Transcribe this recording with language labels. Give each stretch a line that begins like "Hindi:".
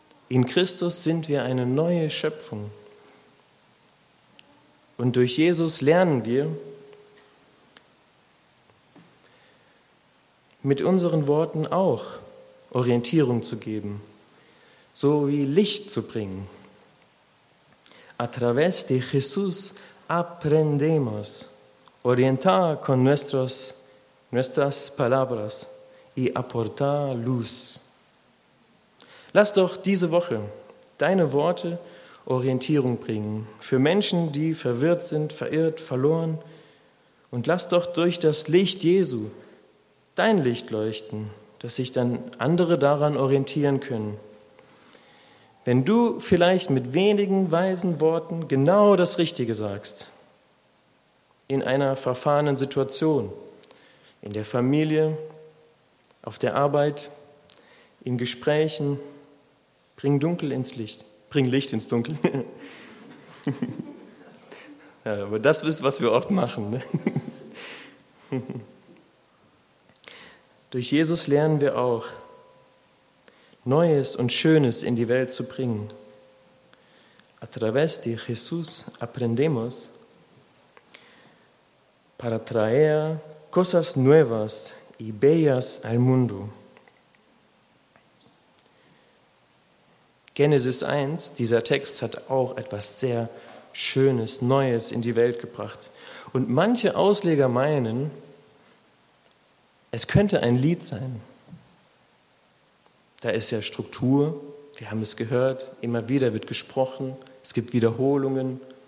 German: In Christus sind wir eine neue Schöpfung. Und durch Jesus lernen wir, mit unseren Worten auch Orientierung zu geben, so wie Licht zu bringen.
Spanish: A través de Jesús aprendemos orientar con nuestras palabras y aportar luz.
German: Lass doch diese Woche deine Worte Orientierung bringen für Menschen, die verwirrt sind, verirrt, verloren. Und lass doch durch das Licht Jesu dein Licht leuchten, dass sich dann andere daran orientieren können. Wenn du vielleicht mit wenigen weisen Worten genau das Richtige sagst, in einer verfahrenen Situation, in der Familie, auf der Arbeit, in Gesprächen, bring Dunkel ins Licht, bring Licht ins Dunkel. Ja, aber das ist, was wir oft machen. Ne? Durch Jesus lernen wir auch, Neues und Schönes in die Welt zu bringen.
Spanish: A través de Jesús aprendemos para traer cosas nuevas y bellas al mundo.
German: Genesis 1, dieser Text, hat auch etwas sehr Schönes, Neues in die Welt gebracht. Und manche Ausleger meinen, es könnte ein Lied sein. Da ist ja Struktur, wir haben es gehört, immer wieder wird gesprochen, es gibt Wiederholungen.